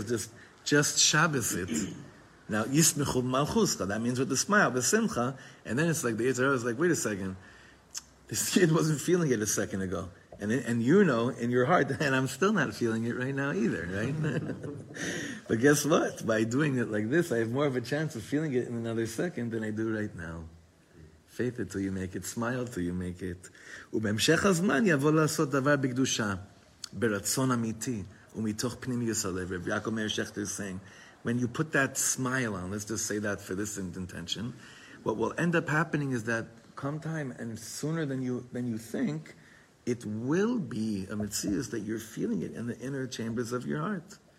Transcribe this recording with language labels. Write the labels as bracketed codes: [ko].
[en] It's just Shabbos it. Now yismichu malchuska, that means with the smile, the simcha, and then it's like the Yitzhar is like, wait a second. This kid wasn't feeling it a second ago. And you know in your heart, and I'm still not feeling it right now either, right? But guess what? By doing it like this, I have more of a chance of feeling it in another second than I do right now. Faith it till you make it. Smile till you make it. [he] ובהמשך הזמן יבוא לעשות דבר בקדושה, ברצון אמיתי, ומתוך פנימיוס הלב. [en] Rav Ya'akov Meir Shechter is saying, when you put that smile on, let's just say that for this intention, what will end up happening is that come time, and sooner than you think, it will be a mitzvah that you're feeling it in the inner chambers of your heart.